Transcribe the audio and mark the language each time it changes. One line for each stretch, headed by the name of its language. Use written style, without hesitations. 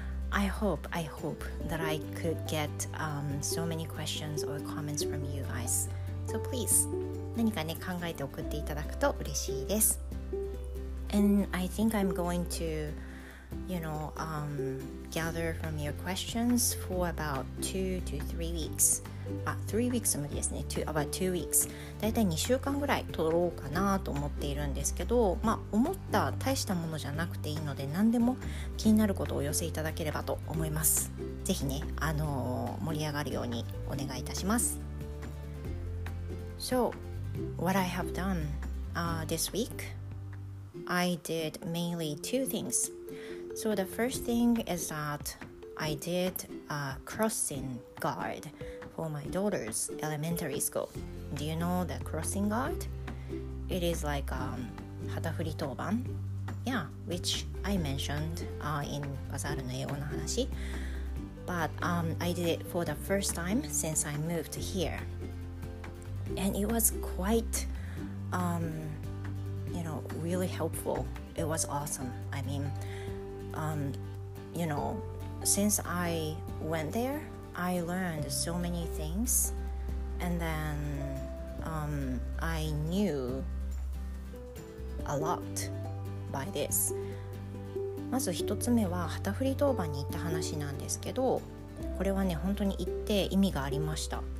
English: I hope that I could get so many questions or comments from you guys. So please,
Japanese: 何かね考えて送っていただくと嬉しいです。
English: And I think I'm going to, you know, gather from your questions for about 2 to 3 weeks. 3 weeks
Japanese: 無理ですね
English: about 2 weeks
Japanese: だいたい2週間ぐらい取ろうかなと思っているんですけど、まあ、思った大したものじゃなくていいので何でも気になることをお寄せいただければと思います。ぜひね、盛り上がるようにお願いいたします。
English: So what I have done this week I did mainly 2 things. So the first thing is that I did a crossing guardfor my daughter's elementary school. Do you know the crossing guard? It is like hatafuri toban. Yeah, which I mentioned in Bazaar no Eigo no Hanashi. But I did it for the first time since I moved here. And it was quite, you know, really helpful. It was awesome. I mean, you know, since I went there,I learned so many things and then I knew a lot by this.
Japanese: まず一つ目は旗振り当番に行った話なんですけどこれはね本当に行って意味がありました。